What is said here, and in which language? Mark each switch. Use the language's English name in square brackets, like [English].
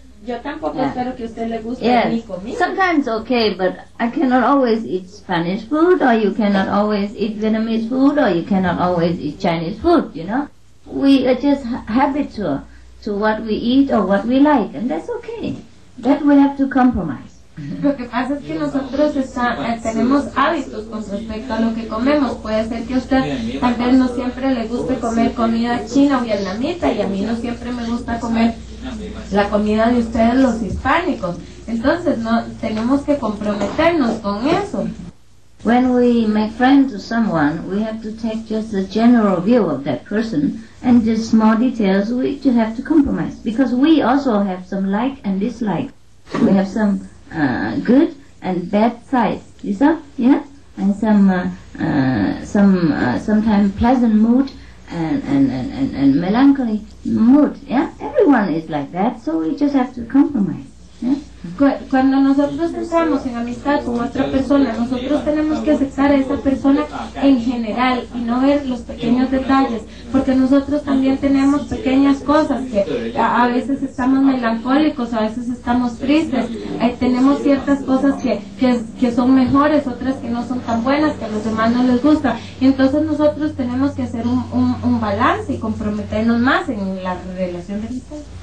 [English] Yes. Sometimes okay, but I cannot always eat Spanish food, or you cannot always eat Vietnamese food, or you cannot always eat Chinese food, you know? We are just habitual to what we eat or what we like, and that's okay. That we have to compromise. [Spanish] Lo que pasa es que nosotros tenemos hábitos con respecto a lo que comemos. Puede ser que a usted tal vez no siempre le guste comer comida china o vietnamita, y a mí no siempre me gusta comer la comida de ustedes, los hispánicos. Entonces, no tenemos que comprometernos con eso. [English] When we make friends with someone, we have to take just a general view of that person, and just small details we just have to compromise, because we also have some like and dislike. We have some good and bad sides, you see? Yeah, and sometimes pleasant mood and melancholy mood. Yeah, everyone is like that, so we just have to compromise. [Spanish] Cuando nosotros estamos en amistad con otra persona, nosotros tenemos que aceptar a esa persona en general y no ver los pequeños detalles, porque nosotros también tenemos pequeñas cosas, que a veces estamos melancólicos, a veces estamos tristes, tenemos ciertas cosas que son mejores, otras que no son tan buenas, que a los demás no les gusta, y entonces nosotros tenemos que hacer un balance y comprometernos más en la relación de amistad.